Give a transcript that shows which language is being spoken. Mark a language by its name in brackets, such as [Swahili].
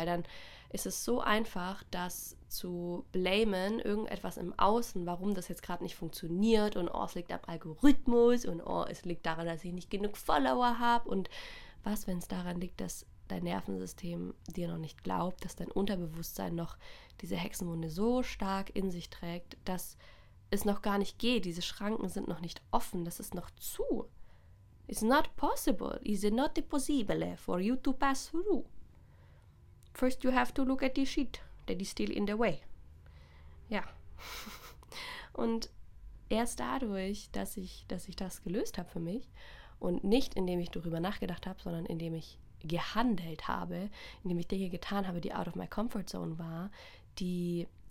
[German] Weil dann ist es so einfach, das zu blamen, irgendetwas im Außen, warum das jetzt gerade nicht funktioniert und es liegt am Algorithmus und es liegt daran, dass ich nicht genug Follower habe. Und was, wenn es daran liegt, dass dein Nervensystem dir noch nicht glaubt, dass dein Unterbewusstsein noch diese Hexenwunde so stark in sich trägt, dass es noch gar nicht geht. Diese Schranken sind noch nicht offen, das ist noch zu. [English] It's not possible. Is it not possible for you to pass through? First you have to look at the shit that is still in the way. [German] Ja. Und erst dadurch, dass ich das gelöst habe für mich und nicht indem ich darüber nachgedacht habe, sondern indem ich gehandelt habe, indem ich Dinge getan habe, die [English] out of my comfort zone [German] war, die